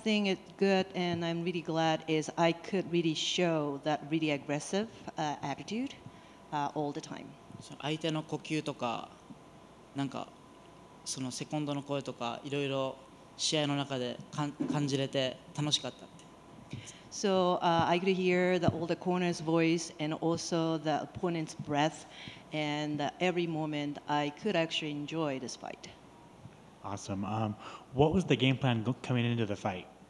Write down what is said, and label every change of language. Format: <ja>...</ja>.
<en>thing is good and I'm really glad is I could really show that really aggressive attitude all the time.</en> <ja>相手の呼吸とか、なんかそのセコンドの声とか、いろいろ試合の中で感じれて楽しかった。</ja> <en>So I could hear the older corner's voice and also the opponent's breath, and every moment I could actually enjoy this fight. Awesome. What was the game plan coming into the fight?</en>